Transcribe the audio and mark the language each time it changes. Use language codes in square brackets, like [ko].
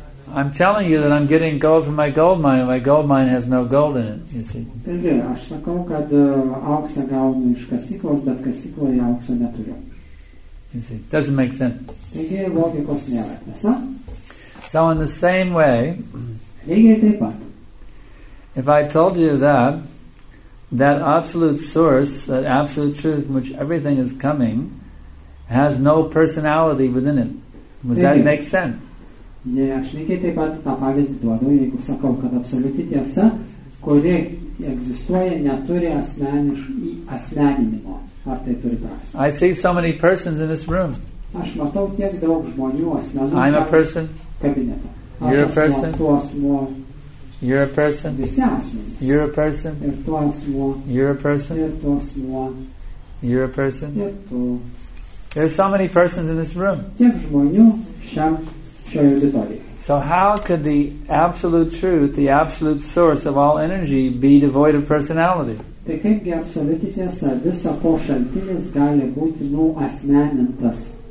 [en] I'm telling you that I'm getting gold from my gold mine, and my gold mine has no gold in it, you see. [lt] Taigi, aš sakau, kad auksą gaunu iš kasyklos, bet kasykloje aukso neturiu. [en] You see, doesn't make sense. [lt] Taigi, logikos nėra, tiesa? [en] So in the same way, [lt] lygiai taip pat, [en] if I told you that, that absolute source, that absolute truth in which everything is coming, has no personality within it. Would that make sense? [lt] Jei aš lygiai taip pat tą pavyzdį duodu, jeigu sakau, kad absoliuti tiesa, kuri egzistuoja, neturi asmeninimo. Ar tai turi prasme? [en] I see so many persons in this room. [lt] Aš matau tiek daug žmonių asmenų. [en] I'm a person. [lt] Kabinete. [en] You're a person. [lt] Tu asmuo. [en] You're a person. [lt] Visi asmenys. [en] You're a person. [lt] Ir tu asmuo. [en] You're a person. [lt] Ir tu asmuo. [en] You're a person. [lt] Ir tu. [en] There's so many persons in this room. [lt] Tiek žmonių šiam. [en] So how could the absolute truth, the absolute source of all energy, be devoid of personality? [lt] Tai kaipgi absoliuti tiesa, visa ko šaltinis gali būti nuasmenintas?